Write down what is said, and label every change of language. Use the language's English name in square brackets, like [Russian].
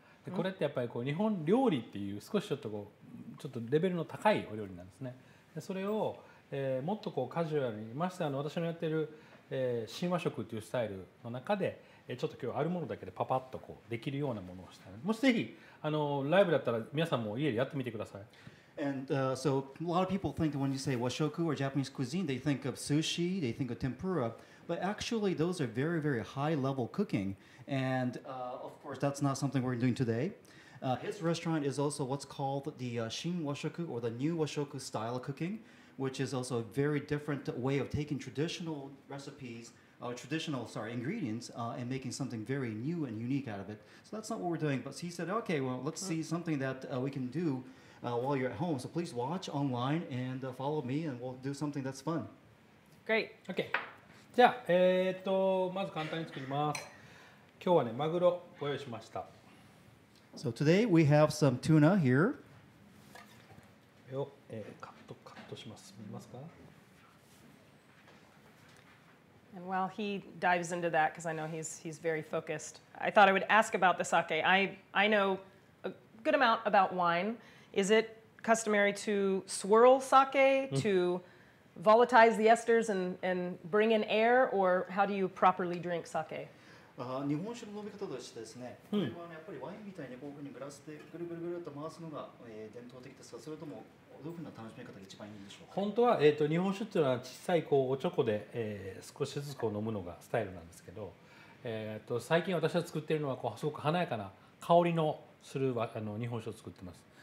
[Japanese] で、これってやっぱり日本料理っていう少しちょっとレベルの高いお料理なんですね。で、それを、もっとカジュアルに、まして私のやってる新和食というスタイルの中でちょっと今日あるものだけでパパッとできるようなものをしたい。もしぜひライブだったら皆さんも家でやってみてください。 [English] And so a lot of people think that when you say washoku or Japanese cuisine, they think of sushi, they think of tempura, but actually those are very, very high level cooking. And of course that's not something we're doing today. His restaurant is also what's called the 新和食 or the new 和食 style of cooking. Which is also a very different way of taking traditional recipes, ingredients, and making something very new and unique out of it. So that's not what we're doing. But he said, okay, well, let's see something that we can do while you're at home. So please watch online and follow me, and we'll do something that's fun. Great. Okay. [Japanese] じゃあ、まず簡単に作ります。今日はね、マグロご用意しました。 [English] So today we have some tuna here. [Japanese] よ、カットか。 [English] And while he dives into that, because I know he's very focused, I thought I would ask about the sake. I know a good amount about wine. Is it customary to swirl sake, to volatilize the esters and bring in air, or how do you properly drink sake? [Japanese] 日本酒の飲み方としてですね、これはやっぱりワインみたいにこういうふうにグラスでぐるぐるぐるっと回すのが伝統的ですが、それともどういうふうな楽しみ方が一番いいんでしょうか。本当は日本酒っていうのは小さいおちょこで少しずつ飲むのがスタイルなんですけど、最近私が作っているのはすごく華やかな香りのする日本酒を作ってます。